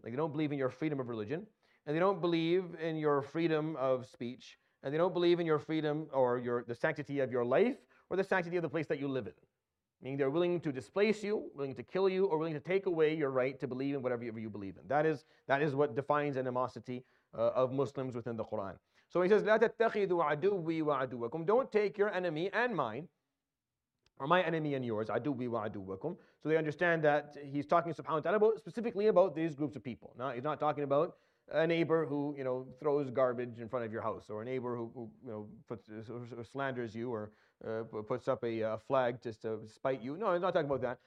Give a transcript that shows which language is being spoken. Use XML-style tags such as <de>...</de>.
<en>Like, they don't believe in your freedom of religion, and they don't believe in your freedom of speech, and they don't believe in your freedom or the sanctity of your life or the sanctity of the place that you live in. Meaning they're willing to displace you, willing to kill you, or willing to take away your right to believe in whatever you believe in. That is what defines animosity of Muslims within the Quran. So he says,</en> <ar>لا تتخذوا عدوي وعدوكم.</ar> <en>Don't take your enemy and mine, or my enemy and yours,</en> <ar>عدوي وعدوكم.</ar> <en>So they understand that he's talking, subhanahu wa ta'ala, specifically about these groups of people. Now, he's not talking about a neighbor who, you know, throws garbage in front of your house, or a neighbor who you know, slanders you, or puts up a flag just to spite you. No, he's not talking about that.</en>